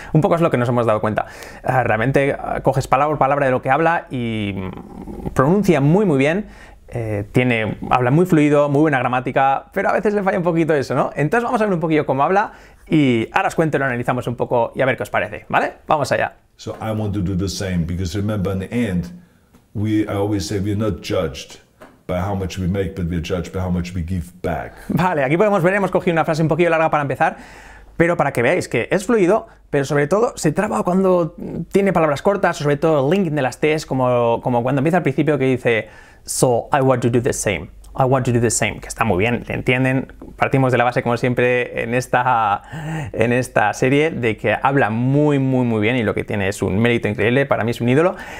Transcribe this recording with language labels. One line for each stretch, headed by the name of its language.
Spanish: Un poco es lo que nos hemos dado cuenta. Realmente coges palabra por palabra de lo que habla y pronuncia muy, muy bien. Habla muy fluido, muy buena gramática, pero a veces le falla un poquito eso, ¿no? Entonces vamos a ver un poquillo cómo habla y ahora os cuento, lo analizamos un poco y a ver qué os parece, ¿vale? Vamos allá.
English: So I want to do the same because remember in the end, I always say we're not judged by how much we make, but we're judged by how much we give back.
Spanish: Vale, aquí podemos ver, hemos cogido una frase un poquillo larga para empezar, pero para que veáis que es fluido, pero sobre todo se traba cuando tiene palabras cortas, sobre todo el link de las T's, como cuando empieza al principio que dice
English: So I want to do the same.
Spanish: I want to do the same. Que está muy bien, ¿te entienden? Partimos de la base, como siempre, en esta serie, de que habla muy, muy, muy bien y lo que tiene es un mérito increíble. Para mí es un ídolo.